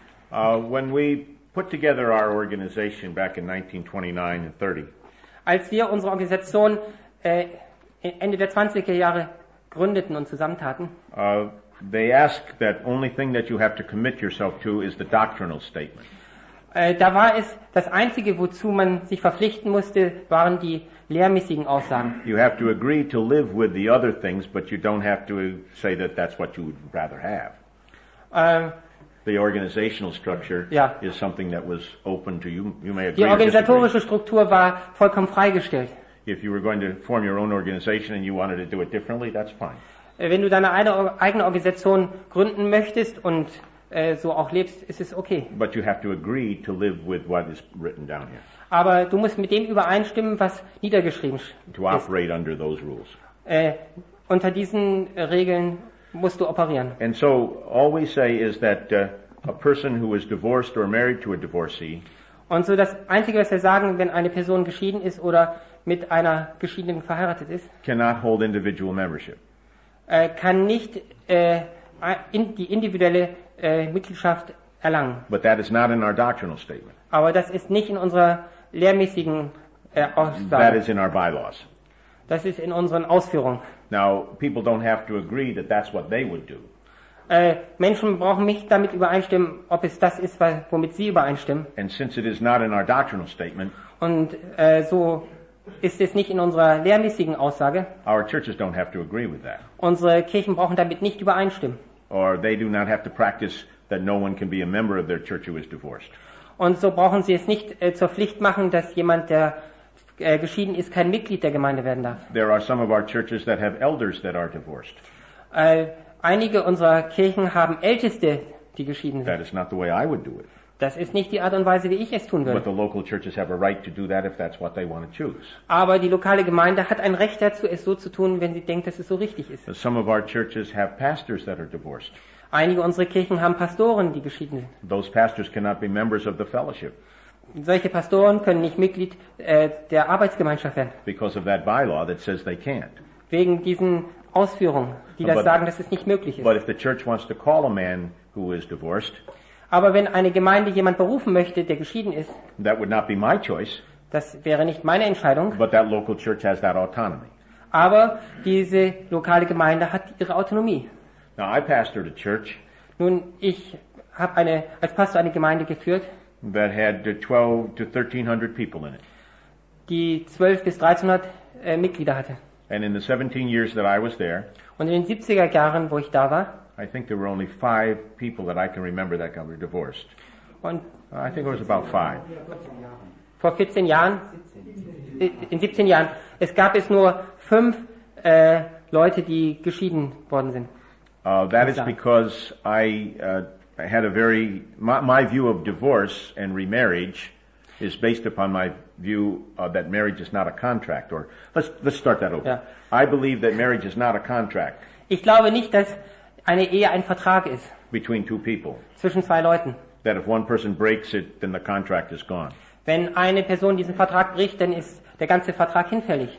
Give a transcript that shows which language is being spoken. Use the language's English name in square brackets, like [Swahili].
[English] When we put together our organization back in 1929 and 30. [German] Als wir unsere Organisation Ende der 20er Jahre gründeten und zusammentaten. [English] They ask that only thing that you have to commit yourself to is the doctrinal statement. [German] Da war es das einzige, wozu man sich verpflichten musste, waren die lehrmäßigen Aussagen. [English] You have to agree to live with the other things, but you don't have to say that that's what you would rather have. The organizational structure is something that was open to you. You may agree. [German] Die organisatorische Struktur war vollkommen freigestellt. [English] If you were going to form your own organization and you wanted to do it differently, that's fine. [German] Wenn du deine eigene Organisation gründen möchtest und so auch lebst, ist es okay. [English] But you have to agree to live with what is written down here. [German] Aber du musst mit dem übereinstimmen, was niedergeschrieben ist. [English] To operate under those rules. [German] Unter diesen Regeln musst du operieren. [English] And so all we say is that a person who is divorced or married to a divorcee. [German] Und so das einzige, was wir sagen, wenn eine Person geschieden ist oder mit einer Geschiedenen verheiratet ist, [English] cannot hold individual membership. [German] Kann nicht die individuelle Mitgliedschaft erlangen. [English] But that is not in our doctrinal statement. [German] Aber das ist nicht in unserer lehrmäßigen Aussage. [English] That is in our bylaws. [German] Das ist in unseren Ausführungen. [English] Now, people don't have to agree that that's what they would do. [German] Menschen brauchen nicht damit übereinstimmen, ob es das ist, womit sie übereinstimmen. [English] And since it is not in our doctrinal statement, [German] und so ist es nicht in unserer lehrmäßigen Aussage. [English] Our churches don't have to agree with that. [German] Unsere Kirchen brauchen damit nicht übereinstimmen. [English] Or they do not have to practice that no one can be a member of their church who is divorced. [German] Und so brauchen sie es nicht zur Pflicht machen, dass jemand, der geschieden ist, kein Mitglied der Gemeinde werden darf. [English] There are some of our churches that have elders that are divorced. [German] Einige unserer Kirchen haben Älteste, die geschieden sind. [English] That is not the way I would do it. [German] Das ist nicht die Art und Weise, wie ich es tun würde. [English] But the local churches have a right to do that if that's what they want to choose. [German] Aber die lokale Gemeinde hat ein Recht dazu, es so zu tun, wenn sie denkt, dass es so richtig ist. [English] Some of our churches have pastors that are divorced. [German] Einige unserer Kirchen haben Pastoren, die geschieden sind. [English] Those pastors cannot be members of the fellowship. [German] Solche Pastoren können nicht Mitglied der Arbeitsgemeinschaft werden. [English] Because of that bylaw that says they can't. [German] Wegen diesen Ausführungen, die das sagen, dass es nicht möglich ist. [English] But if the church wants to call a man who is divorced, [German] aber wenn eine Gemeinde jemand berufen möchte, der geschieden ist, [English] that would not be my choice, [German] das wäre nicht meine Entscheidung. [English] But that local church has that autonomy. [German] Aber diese lokale Gemeinde hat ihre Autonomie. [English] Now I pastored a church. [German] Nun, ich habe eine als Pastor eine Gemeinde geführt. [English] That had 12 to 1300 people in it. [German] Die 12 bis 1300 Mitglieder hatte. [English] And in the 17 years that I was there. [German] Und in den 70er Jahren, wo ich da war. [English] I think there were only 5 people that I can remember that got divorced. [German] Und [English] I think it was about 5. [German] Vor 14 Jahren. In 17 Jahren. Es gab es nur 5 Leute, die geschieden worden sind. [English] That is because I had a very my view of divorce and remarriage is based upon my view that marriage is not a contract. Or let's start that over. Yeah. I believe that marriage is not a contract. [German] Ich glaube nicht, dass eine Ehe ein Vertrag ist. [English] Between two people. [German] Zwischen zwei Leuten. [English] That if one person breaks it, then the contract is gone. [German] Wenn eine Person diesen Vertrag bricht, dann ist der ganze Vertrag hinfällig.